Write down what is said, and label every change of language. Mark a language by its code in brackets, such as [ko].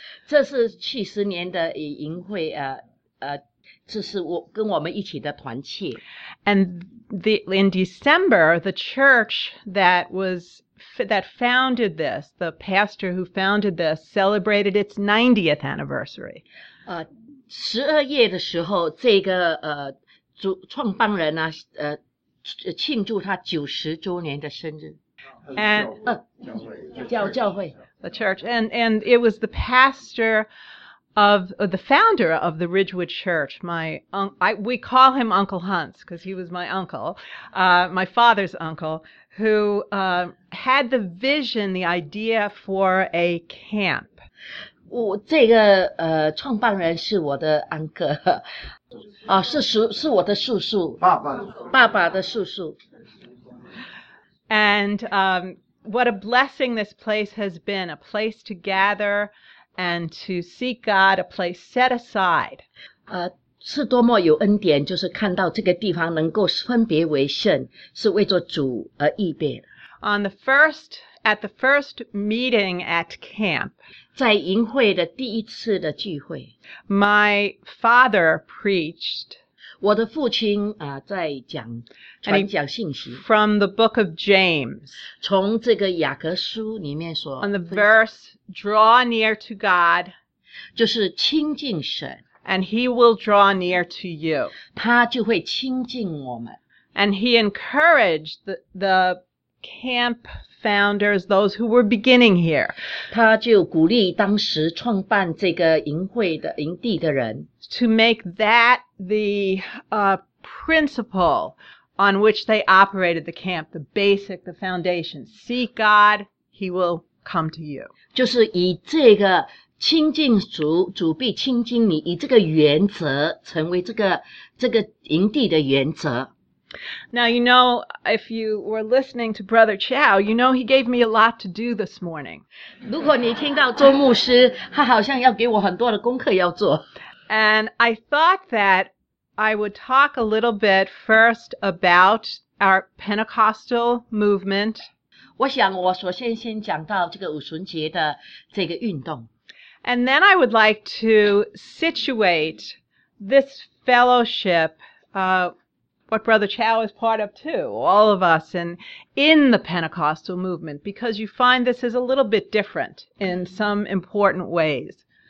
[zh] 这是七十年的营会这是我跟我们一起的团契。 [en] And in December, the church that founded this, the pastor who founded this, celebrated its 90th anniversary. [zh] 12月的时候这个创办人啊庆祝他90周年的生日。 [en] And, [zh] 教会。 [en] The church. And it was the pastor of, the founder of the Ridgewood Church, we call him Uncle Hans, because he was my uncle, my father's uncle, who, had the vision, the idea for a camp. [zh] 这个创办人是我的安哥是我的叔叔爸爸的叔叔 [en] and what a blessing this place has been a place to gather and to seek God a place set aside [zh] 是多么有恩典就是看到这个地方能够分别为圣是为着主而预备 [en] at the first meeting at camp, [zh] 在营会的第一次的聚会, [en] my father preached, [zh] 我的父亲啊在讲传讲信息, [en] from the book of James, [zh] 从这个雅各书里面说, [en] on the verse, draw near to God, [zh] 就是亲近神, [en] and he will draw near to you, [zh] 他就会亲近我们, [en] and he encouraged the camp founders, those who were beginning here. [zh] 他就鼓励当时创办这个营会的营地的人 [en] to make that the principle on which they operated the camp, the basic, the foundation. Seek God, he will come to you. [zh] 就是以这个亲近主，主必亲近你，以这个原则成为这个营地的原则。 [en] Now, you know, if you were listening to Brother Chow, you know he gave me a lot to do this morning. [zh] 如果你听到周牧师，他好像要给我很多的功课要做。 [en] And I thought that I would talk a little bit first about our Pentecostal movement. [zh] 我想我首先先讲到这个五旬节的这个运动。 [en] And then I would like to situate this fellowship, what Brother Chow is part of too, all of us, and in the Pentecostal movement, because you find this is a little bit different in some important ways.